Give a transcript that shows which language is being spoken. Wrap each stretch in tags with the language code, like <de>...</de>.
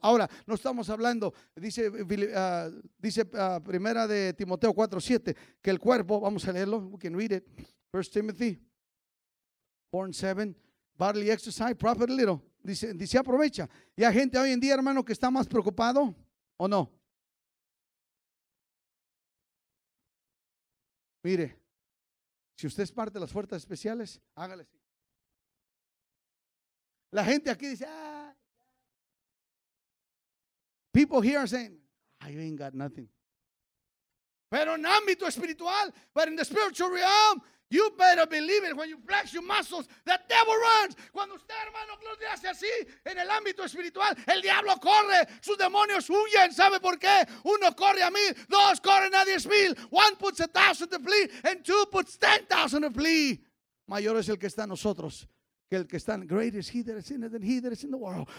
<es>Ahora, no estamos hablando, dice primera de Timoteo 4:7, que el cuerpo, vamos a leerlo,</es> <en>we can read it, 1 Timothy 4:7, bodily exercise, profit a little,</en> <es>dice aprovecha. Y hay gente hoy en día, hermano, que está más preocupado, ¿o no? Mire, si usted es parte de las fuerzas especiales, hágale así. La gente aquí dice,</es> <en>People here are saying, you ain't got nothing.</en> <es>Pero en ámbito espiritual,</es> <en>but in the spiritual realm, you better believe it. When you flex your muscles, the devil runs.</en> <es>Cuando usted, hermano, lo hace así, en el ámbito espiritual, el diablo corre. Sus demonios huyen. ¿Sabe por qué? Uno corre a mil, dos corren a 10,000.</es> <en>One puts 1,000 to flee, and two puts 10,000 to flee.</en> <es>Mayor es el que está en nosotros que el que está en.</es> <en>Greatest he that is in it than he that is in the world.</en>